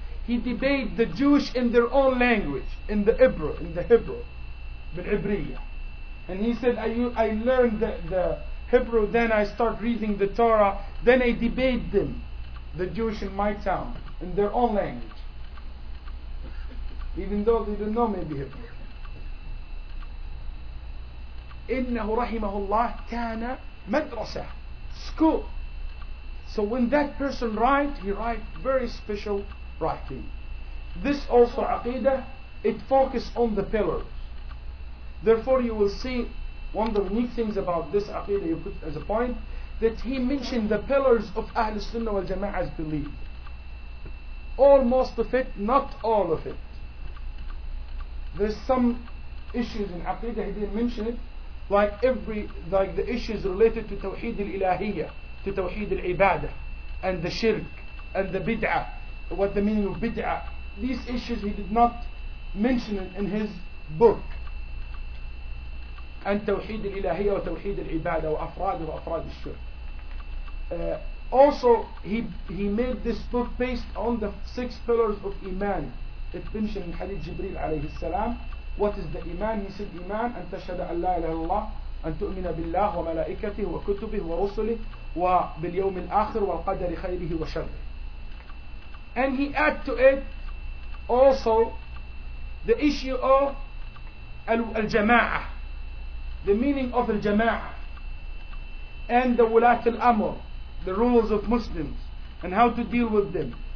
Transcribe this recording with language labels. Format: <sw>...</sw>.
<en>He debated the Jewish in their own language, in the Hebrew, bil-Ibriyah. And he said, I learned the Hebrew, then I start reading the Torah, then I debated them, the Jewish in my town, in their own language. Even though they didn't know maybe Hebrew.</en> <ar>إنه رحمه الله كان مدرسة</ar> <en>school. So when that person write, he write very special writing. This also عقيدة, it focus on the pillars. Therefore you will see one of the unique things about this عقيدة you put as a point, that he mentioned the pillars of أهل السنة والجماعة's belief. Almost of it, not all of it. There's some issues in عقيدة, he didn't mention it. Like the issues related to Tawheed al-Ilahiyya, to Tawheed al-Ibadah, and the Shirk, and the Bid'ah, what the meaning of Bid'ah. These issues he did not mention in his book. And Tawheed al-Ilahiyya, or Tawheed al-Ibadah,</en> <ar>wa afraad al-Shirk.</ar> <en>Also, he made this book based on the six pillars of Iman. It mentioned in Hadith Jibreel alayhi salam. What is the iman? He said iman</en> <ar>أن تشهد أن لا إله إلا الله أن تؤمن بالله وملائكته وكتبه ورسله وباليوم الآخر والقدر خيره وشره.</ar> <en>And he add to it also the issue of الجماعة, the meaning of الجماعة, and the ولاة الأمر, the rules of Muslims, and how to deal with them.</en>